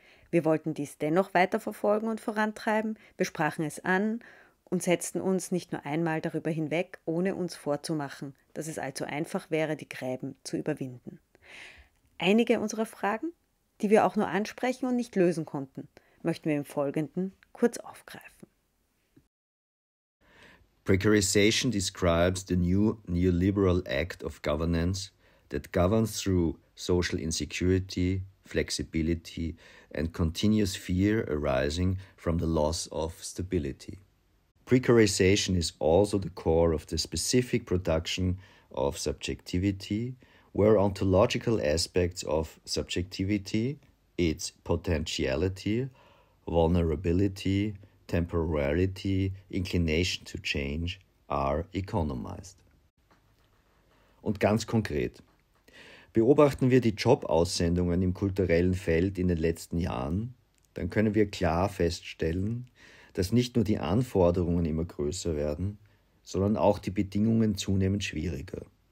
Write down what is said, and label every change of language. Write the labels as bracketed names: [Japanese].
[German] Wir wollten dies dennoch weiterverfolgen und vorantreiben, wir sprachen es an und setzten uns nicht nur einmal darüber hinweg, ohne uns vorzumachen, dass es allzu einfach wäre, die Gräben zu überwinden. Einige unserer Fragen, die wir auch nur ansprechen und nicht lösen konnten, möchten wir im Folgenden kurz aufgreifen. [English] Precarization describes the new neoliberal act of governance that governs through social insecurity, flexibility and continuous fear arising from the loss of stability. Precarization is also the core of the specific production of subjectivity, where ontological aspects of subjectivity, its potentiality, vulnerability, temporality, inclination to change are economized. [German] Und ganz konkret, beobachten wir die Jobaussendungen im kulturellen Feld in den letzten Jahren, dann können wir klar feststellen, dass nicht nur die Anforderungen immer größer werden, sondern auch die Bedingungen zunehmend schwieriger.